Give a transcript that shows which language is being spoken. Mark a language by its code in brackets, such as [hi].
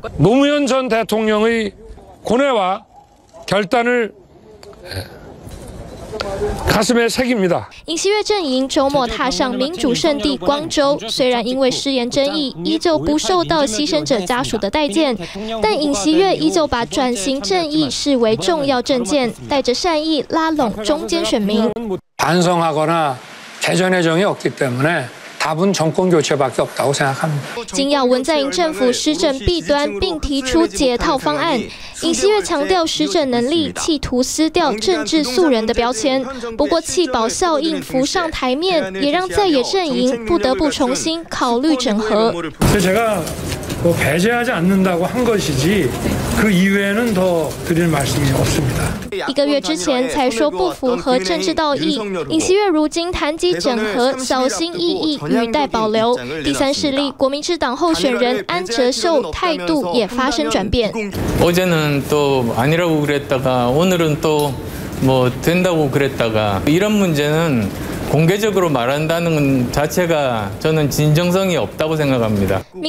[ko] 노무현전대통령의고뇌와결단을가슴에새깁니다 [zh] 尹锡悦阵营周末踏上民主圣地光州，虽然因为失言争议依旧不受到牺牲者家属的待见，但尹锡悦依旧把转型正义视为重要政见，带着善意拉拢中间选民。 [ko] 반성하거나개전의정이없기때문에 답은 정권 교체밖에 없다고 생각합니다. [zh] 金耀文在寅政府施政弊端，并提出解套方案。尹锡悦强调施政能力，企图撕掉政治素人的标签。不过，弃保效应浮上台面，也让在野阵营不得不重新考虑整合。 [ko] 제가 뭐 배제하지 않는다고 한 것이지 그 이외에는 더 드릴 말씀이 없습니다. [zh] 一个月之前才说不符合政治道义，尹锡悦如今谈及整合，小心翼翼，语带保留。第三势力国民之党候选人安哲秀态度也发生转变。 [ko] 어제는 또 아니라고 그랬다가 오늘은 또 뭐 된다고 그랬다가 이런 문제는 공개적으로 말한다는 자체가 저는 진정성이 없다고 생각합니다.